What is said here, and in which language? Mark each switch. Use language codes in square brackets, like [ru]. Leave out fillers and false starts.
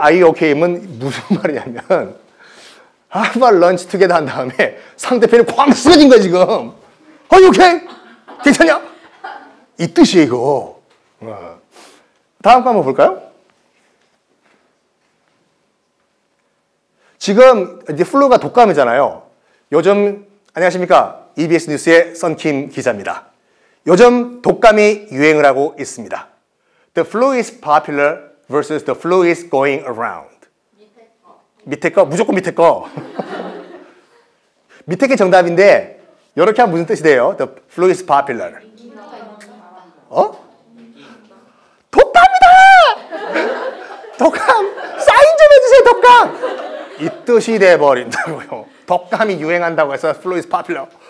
[en] Are you okay? [ko] 은 무슨 말이냐면 [en] How about lunch together? [ko] 한 다음에 상대편이 꽝 쓰러진 거야 지금. [en] Are you okay? [ko] 괜찮냐? 이 뜻이에요 이거. 다음 거 한번 볼까요? 지금 이제 플루가 독감이잖아요. 요즘 안녕하십니까? EBS 뉴스의 썬킴 기자입니다. 요즘 독감이 유행을 하고 있습니다. [en] The flu is popular versus the flu is going around. [ko] 밑에 거. 무조건 밑에 거. 밑에 게 정답인데 이렇게 하면 무슨 뜻이 돼요? [en] The flu is popular. 어? [ko] 독감이다! 독감! 사인 좀 해주세요, 독감! 이 뜻이 돼버린다고요. 독감이 유행한다고 해서 [en] flu is popular.